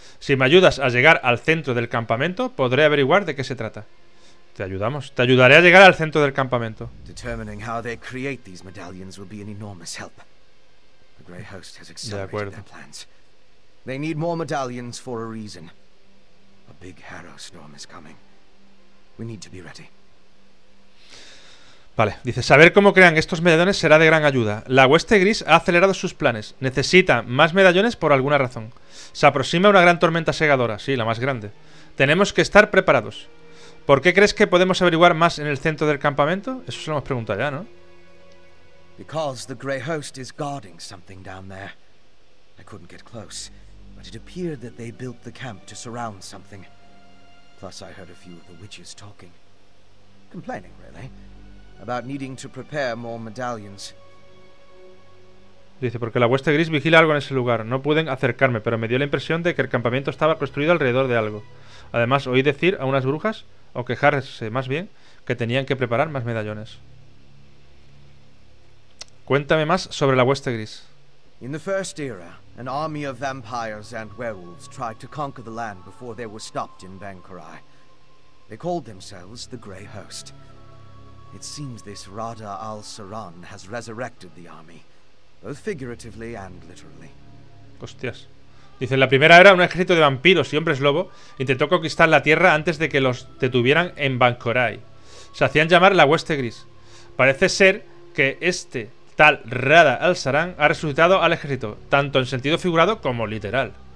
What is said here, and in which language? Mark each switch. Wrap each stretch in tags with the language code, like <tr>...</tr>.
<es>Si me ayudas a llegar al centro del campamento, podré averiguar de qué se trata. Te ayudamos. Te ayudaré a llegar al centro del campamento.</es> <en>Determining how they create these medallions will be an enormous help. The Grey Host has accelerated their plans. They need more medallions for a reason. A big Harrow storm is coming. We need to be ready.</en> <es>Vale, dice, saber cómo crean estos medallones será de gran ayuda. La hueste gris ha acelerado sus planes. Necesita más medallones por alguna razón. Se aproxima una gran tormenta segadora, sí, la más grande. Tenemos que estar preparados. ¿Por qué crees que podemos averiguar más en el centro del campamento? Eso se lo hemos preguntado ya, ¿no?</es> <en>Because the Grey Host is guarding something down there. I couldn't get close, but it appeared that they built the camp to surround something. Plus I heard a few of the witches talking. Complaining, really. About needing to prepare more medallions.</en> <es>Dice, porque la hueste gris vigila algo en ese lugar. No pude acercarme, pero me dio la impresión de que el campamento estaba construido alrededor de algo. Además, oí decir a unas brujas, o quejarse más bien, que tenían que preparar más medallones. Cuéntame más sobre la hueste gris.</es> <en>In the first era, an army of vampires and werewolves tried to conquer the land before they were stopped in Bankorai. They called themselves the Grey Host. It seems this Rada al-Saran has resurrected the army, both figuratively and literally.</en> <es>Hostias. Dice, en la primera era, un ejército de vampiros y hombres lobo intentó conquistar la tierra antes de que los detuvieran en Bankorai. Se hacían llamar la Hueste Gris. Parece ser que este tal Rada al-Saran ha resucitado al ejército, tanto en sentido figurado como literal.</es>